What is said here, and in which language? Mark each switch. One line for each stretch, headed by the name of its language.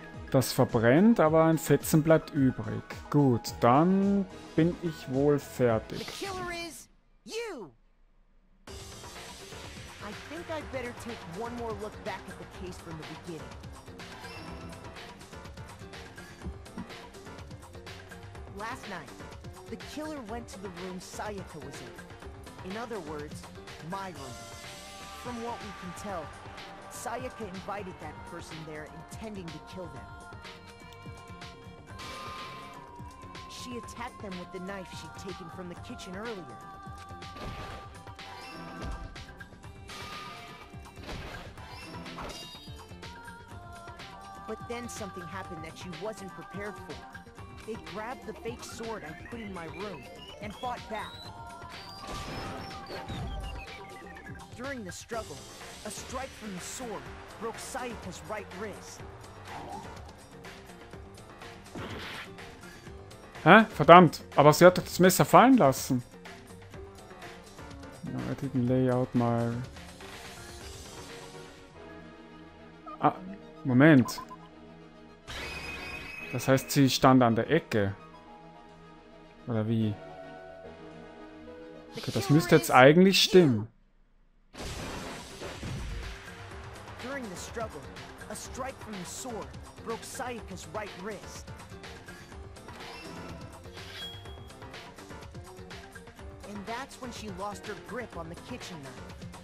German: Das verbrennt, aber ein Fetzen bleibt übrig. Gut, dann bin ich wohl fertig. Der Killer ist du! Ich denke, ich sollte noch einen Blick zurück auf den Fall von der Beginn.
English: Last night, the Killer went to the room Sayaka was in. In other words, my room. From what we can tell, Sayaka invited that person there intending to kill them. She attacked them with the knife she'd taken from the kitchen earlier. But then something happened that she wasn't prepared for. They grabbed the fake sword I put in my room and fought back. During the struggle, a strike from the sword broke Sayaka's right wrist.
German: Hä? Verdammt! Aber sie hat doch das Messer fallen lassen! Ja, er hat den Layout mal... Moment. Das heißt, sie stand an der Ecke. Oder wie? Okay, das müsste jetzt eigentlich stimmen.
English: During the struggle, a strike from the sword broke Sayaka's right wrist. And that's when she lost her grip on the kitchen knife.